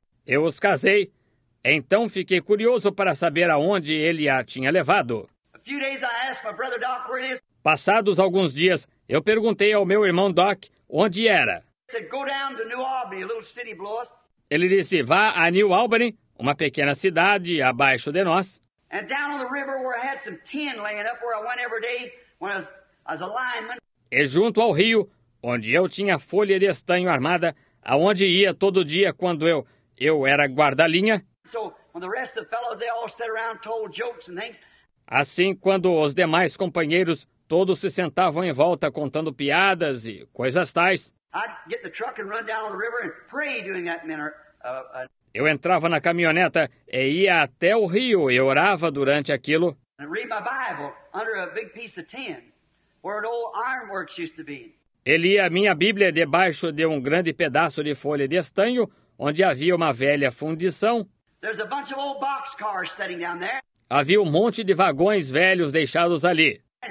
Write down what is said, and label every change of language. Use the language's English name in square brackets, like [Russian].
[Portuguese] Eu os casei. Então fiquei curioso para saber aonde ele a tinha levado. [English] A few days I asked my brother Doc where he is. [Portuguese] Passados alguns dias, eu perguntei ao meu irmão Doc onde era. [English] He said, go down to New Albany, a little city below us. [Portuguese] Ele disse, vá a New Albany, uma pequena cidade abaixo de nós. [English] And down on the river where I had some tin laying up where I went every day when I was a lineman. [Portuguese] E junto ao rio, onde eu tinha folha de estanho armada, aonde ia todo dia quando eu era guardalinha. [English] So when the rest of the fellows, they all sat around and told jokes and things. [Portuguese] Assim, quando os demais companheiros todos se sentavam em volta contando piadas e coisas tais. [English] I'd get the truck and run down the river and pray during that minute. [Portuguese] Eu entrava na caminhoneta e ia até o rio e orava durante aquilo. [English] And read my Bible under a big piece of tin where an old ironworks used to be. [Portuguese] Ele lia a minha Bíblia debaixo de um grande pedaço de folha de estanho onde havia uma velha fundição. [English] There's a bunch of old boxcars sitting down there. [Portuguese] Havia um monte de vagões velhos deixados ali.